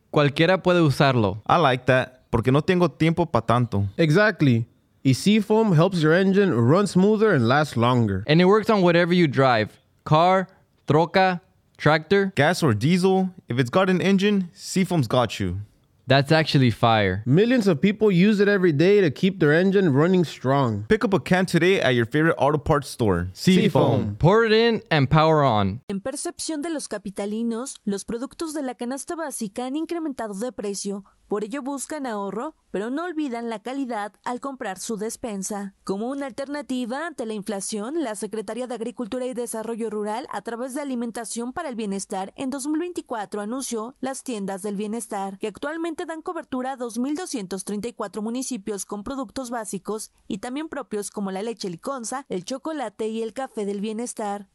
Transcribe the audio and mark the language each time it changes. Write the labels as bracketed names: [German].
[Spanish] Cualquiera puede usarlo. [English] I like that. [Spanish] Porque no tengo tiempo pa tanto. [English] Exactly. Y Seafoam helps your engine run smoother and last longer. And it works on whatever you drive. Car, troca, tractor. Gas or diesel. If it's got an engine, Seafoam's got you. That's actually fire. Millions of people use it every day to keep their engine running strong. Pick up a can today at your favorite auto parts store. Seafoam. Pour it in and power on. [Spanish] En percepción de los capitalinos, los productos de la canasta básica han incrementado de precio. Por ello buscan ahorro, pero no olvidan la calidad al comprar su despensa. Como una alternativa ante la inflación, la Secretaría de Agricultura y Desarrollo Rural, a través de Alimentación para el Bienestar, en 2024 anunció las tiendas del bienestar, que actualmente dan cobertura a 2,234 municipios con productos básicos y también propios como la leche liconza, el chocolate y el café del bienestar.